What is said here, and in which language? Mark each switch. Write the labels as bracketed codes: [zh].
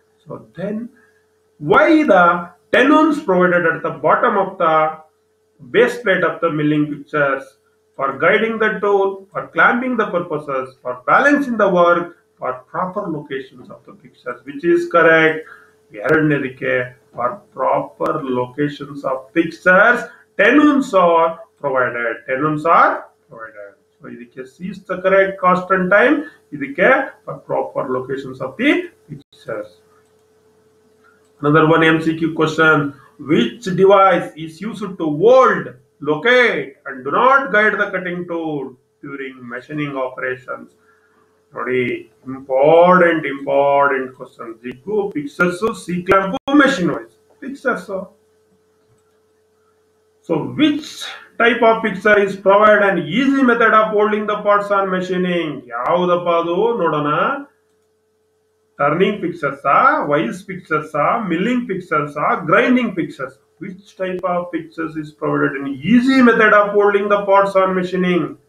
[en] So then why the tenons provided at the bottom of the base plate of the milling fixtures for guiding the tool, for clamping the purposes, for balancing the work, for proper locations of the fixtures. Which is correct? [kn] ಎರಡನೇದಕ್ಕೆ [en] For proper locations of fixtures tenons are provided, tenons are provided. So [kn] ಇದಕ್ಕೆ [en] C is the correct cost and time, ಇದಕ್ಕೆ for proper locations of the fixtures. Another one MCQ question, which device is used to hold, locate and do not guide the cutting tool during machining operations? [kn] Nodi, [en] important question. Jiggu, fixers, C-clamp, machine wise, fixers. So which type of fixer is provide an easy method of holding the parts on machining? [kn] Yavudappa adu nodana? [en] Turning fixtures, vise fixtures, milling fixtures, grinding fixtures? Which type of fixtures is provided in easy method of holding the parts on machining?